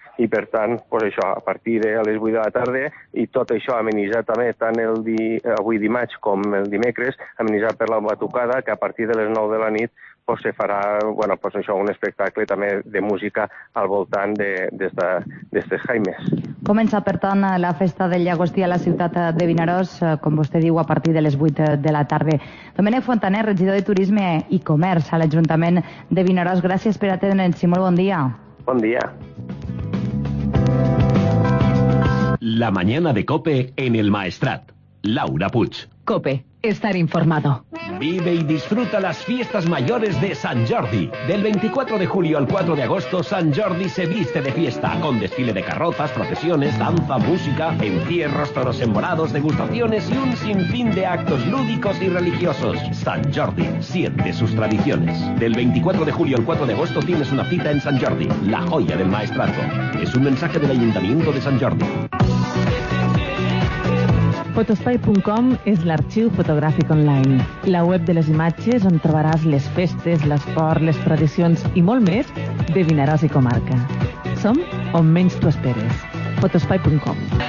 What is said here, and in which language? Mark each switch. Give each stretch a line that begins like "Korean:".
Catalan: I, per tant, pues això, a partir de les 8 de la tarda, i tot això amenitzat també tant avui dimarts com el dimecres, amenitzat per la batucada, que a partir de les 9 de la nit pues se farà, bueno, pues això, un espectacle també de música al voltant d'estes jaimes. Comença, per tant, la festa del llagostí a la ciutat de Vinaròs, com vostè diu, a partir de les 8 de la tarda. Domènec Fontaner, regidor de Turisme i Comerç a l'Ajuntament de Vinaròs, gràcies per atendre'ns i molt bon dia. Bon dia.
Spanish: La mañana de COPE en el Maestrat. Laura Puig. COPE. Estar informado. Vive y disfruta las fiestas mayores de San Jordi. Del 24 de julio al 4 de agosto, San Jordi se viste de fiesta, con desfile de carrozas, procesiones, danza, música, entierros, toros embolados, degustaciones y un sinfín de actos lúdicos y religiosos. San Jordi, siente sus tradiciones. Del 24 de julio al 4 de agosto tienes una cita en San Jordi, la joya del maestrazgo. Es un mensaje del Ayuntamiento de San Jordi.
Catalan: Fotoespai.com és l'arxiu fotogràfic online, la web de les imatges on trobaràs les festes, l'esport, les tradicions i molt més de Vinaròs i comarca. Som on menys t'ho esperes. Fotoespai.com.